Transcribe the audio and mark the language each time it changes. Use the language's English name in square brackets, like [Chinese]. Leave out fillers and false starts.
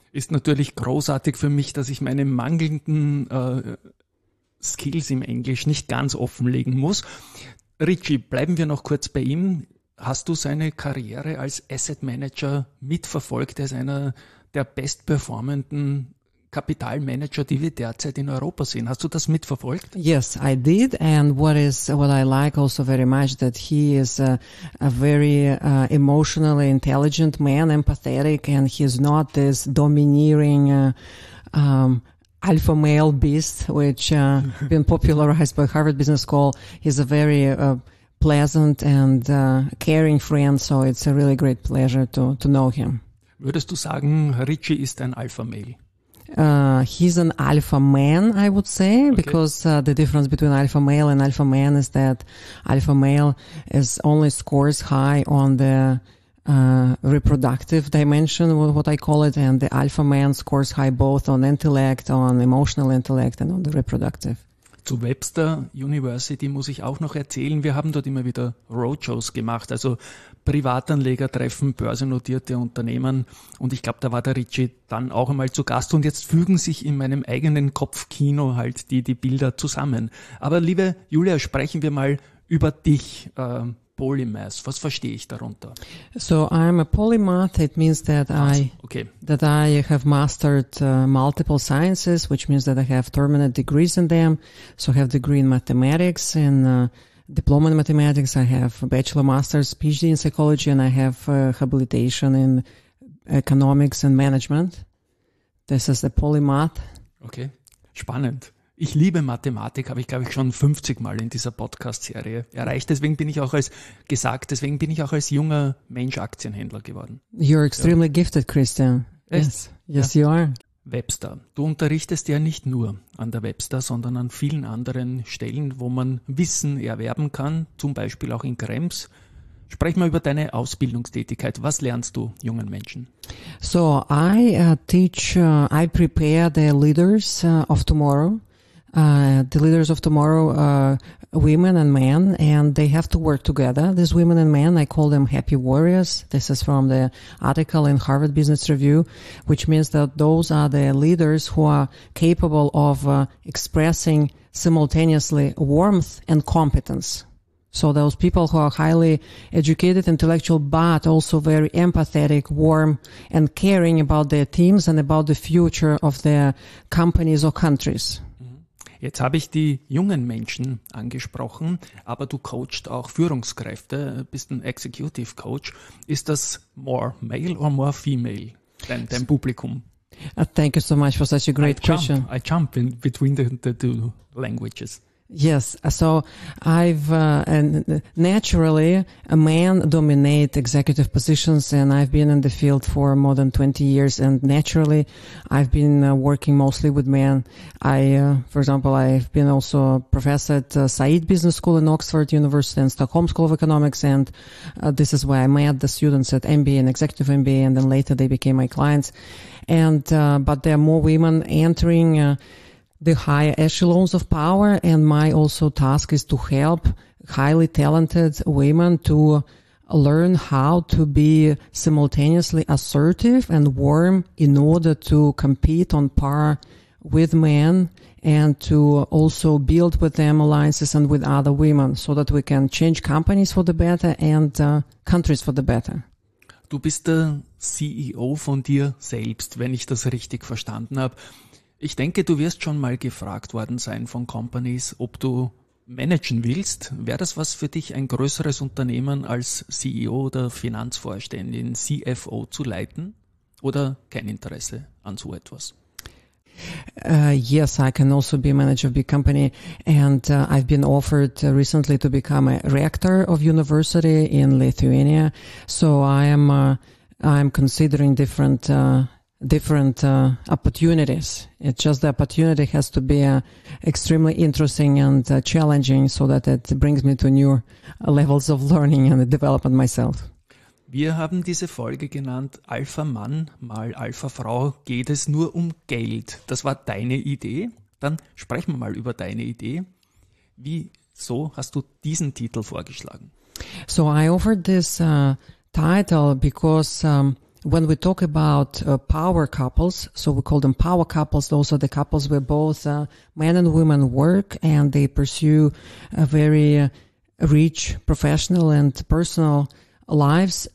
[German] Ist natürlich großartig für mich, dass ich meine mangelnden Skills im Englisch nicht ganz offenlegen muss. Richie, bleiben wir noch kurz bei ihm. Hast du seine Karriere als Asset Manager mitverfolgt? Er ist einer der bestperformenden Kapitalmanager, die wir derzeit in Europa sehen. Hast du das mitverfolgt? [English] Yes, I did. And what I like also very much that he is a very emotionally intelligent man, empathetic, and he's not this domineering alpha male beast, which been popularized by Harvard Business School. He's a very pleasant and caring friend. So it's a really great pleasure to know him. Würdest du sagen, Richie ist ein alpha male? He's an alpha man, I would say, okay. Because the difference between alpha male and alpha man is that alpha male is only scores high on the reproductive dimension, what I call it, and the alpha man scores high both on intellect, on emotional intellect and on the reproductive. [German] Zu Webster University muss ich auch noch erzählen, wir haben dort immer wieder Roadshows gemacht, also Privatanleger treffen börsennotierte Unternehmen und ich glaube, da war der Richie dann auch einmal zu Gast und jetzt fügen sich in meinem eigenen Kopfkino halt die Bilder zusammen. Aber liebe Julia, sprechen wir mal über dich, Polymath. Was verstehe ich darunter? [English] So I'm a polymath. It means that that I have mastered multiple sciences, which means that I have terminal degrees in them. So I have degree in mathematics and diploma in mathematics, I have a bachelor, master's, PhD in psychology, and I have habilitation in economics and management. This is a polymath. [German] Okay, spannend. Ich liebe Mathematik, habe ich, glaube ich, schon 50 Mal in dieser Podcast-Serie erreicht. Deswegen bin ich auch als junger Mensch Aktienhändler geworden. [English] You're extremely gifted, Christian. [German] Echt? [English] Yes, you are. [German] Webster. Du unterrichtest ja nicht nur an der Webster, sondern an vielen anderen Stellen, wo man Wissen erwerben kann, zum Beispiel auch in Krems. Sprech mal über deine Ausbildungstätigkeit. Was lernst du jungen Menschen? [English] So, I prepare the leaders of tomorrow. The leaders of tomorrow are women and men, and they have to work together. These women and men, I call them happy warriors. This is from the article in Harvard Business Review, which means that those are the leaders who are capable of expressing simultaneously warmth and competence. So those people who are highly educated, intellectual, but also very empathetic, warm, and caring about their teams and about the future of their companies or countries. [German] Jetzt habe ich die jungen Menschen angesprochen, aber du coachst auch Führungskräfte, bist ein Executive Coach. Ist das [English] more male or more female, [German] dein Publikum? [English] Thank you so much for such a great question. I jump in between the two languages. Yes, so naturally a man dominate executive positions, and I've been in the field for more than 20 years, and naturally I've been working mostly with men. I've been also a professor at Said Business School in Oxford University and Stockholm School of Economics, and this is where I met the students at MBA and Executive MBA, and then later they became my clients. But there are more women entering the higher echelons of power, and my also task is to help highly talented women to learn how to be simultaneously assertive and warm in order to compete on par with men, and to also build with them alliances and with other women so that we can change companies for the better and countries for the better. [German] Du bist der CEO von dir selbst, wenn ich das richtig verstanden habe. Ich denke, du wirst schon mal gefragt worden sein von Companies, ob du managen willst. Wäre das was für dich, ein größeres Unternehmen als CEO oder Finanzvorständin, CFO zu leiten? Oder kein Interesse an so etwas? [English] Yes, I can also be a manager of a big company. And I've been offered recently to become a rector of university in Lithuania. So I'm considering different opportunities. It's just the opportunity has to be extremely interesting and challenging, so that it brings me to new levels of learning and development myself. [German] Wir haben diese Folge genannt Alpha Mann mal Alpha Frau. Geht es nur um Geld? Das war deine Idee. Dann sprechen wir mal über deine Idee. Wieso hast du diesen Titel vorgeschlagen? [English] So I offered this title because when we talk about power couples, so we call them power couples, those are the couples where both men and women work and they pursue a very rich professional and personal lives.